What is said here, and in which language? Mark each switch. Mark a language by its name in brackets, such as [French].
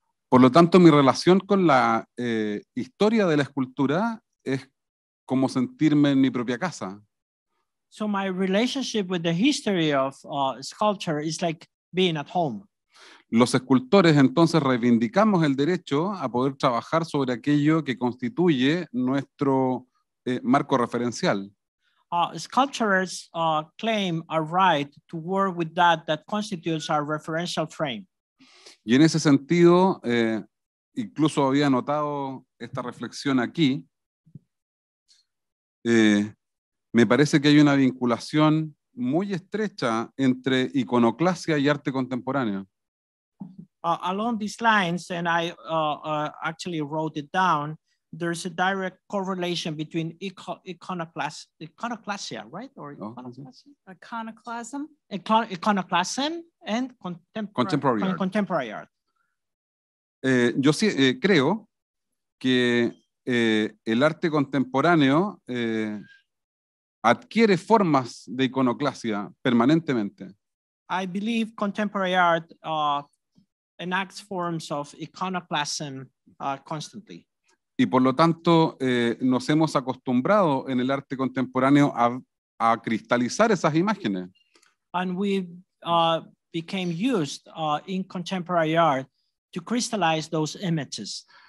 [Spanish] Por lo tanto, mi relación con la historia de la escultura es como sentirme en mi propia casa. [English] So my relationship with the history of sculpture is like being at home. [Spanish] Los escultores entonces reivindicamos el derecho a poder trabajar sobre aquello que constituye nuestro marco referencial. [English] Sculptors claim a right to work with that constitutes our referential frame. [Spanish] Y en ese sentido, incluso había anotado esta reflexión aquí. me parece que hay una vinculación muy estrecha entre iconoclasia y arte contemporáneo. [English] Along these lines, and I actually wrote it down, there's a direct correlation between iconoclasia, right? Or iconoclasm? Iconoclasm and contemporary art. [Spanish] Creo que el arte contemporáneo adquiere formas de iconoclasia permanentemente. [English] I believe contemporary art enacts forms of iconoclasm constantly. [Spanish] Y por lo tanto, nos hemos acostumbrado en el arte contemporáneo a cristalizar esas imágenes. [English] And we became used in contemporary art to crystallize those images.